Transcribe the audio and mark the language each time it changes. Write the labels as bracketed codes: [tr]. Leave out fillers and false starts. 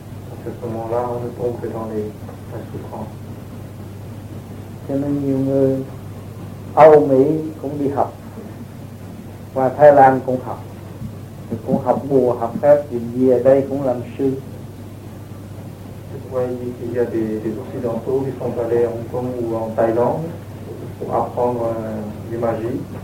[fr] Parce qu'à ce moment-là, on ne tombe que dans les, la souffrance. [vi] Cho nên nhiều người Âu Mỹ cũng đi học và Thái Lan cũng học, thì cũng học mùa học phép thì về đây cũng làm sư. [fr] Ouais, il dit qu'il y a des occidentaux qui sont allés à Hong Kong ou en Thaïlande pour apprendre les magies.